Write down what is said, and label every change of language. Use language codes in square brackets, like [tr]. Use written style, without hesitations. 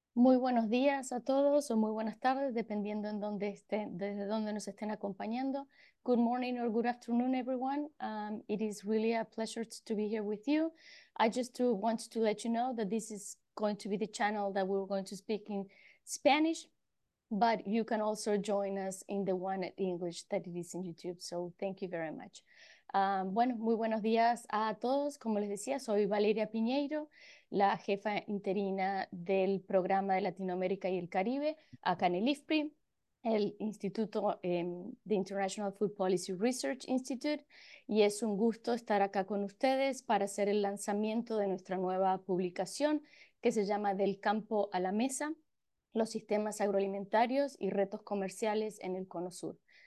[es] Muy buenos días a todos o muy buenas tardes, dependiendo en dónde estén, desde dónde nos estén acompañando. [en] Good morning or good afternoon, everyone. It is really a pleasure to be here with you. I just do want to let you know that this is going to be the channel that we're going to speak in Spanish, but you can also join us in the one at English that it is in YouTube. So thank you very much. [es] Bueno, muy buenos días a todos. Como les decía, soy Valeria Piñeiro, la jefa interina del programa de Latinoamérica y el Caribe, acá en el IFPRI, el Instituto de International Food Policy Research Institute. Y es un gusto estar acá con ustedes para hacer el lanzamiento de nuestra nueva publicación que se llama Del campo a la mesa, los sistemas agroalimentarios y retos comerciales en el Cono Sur.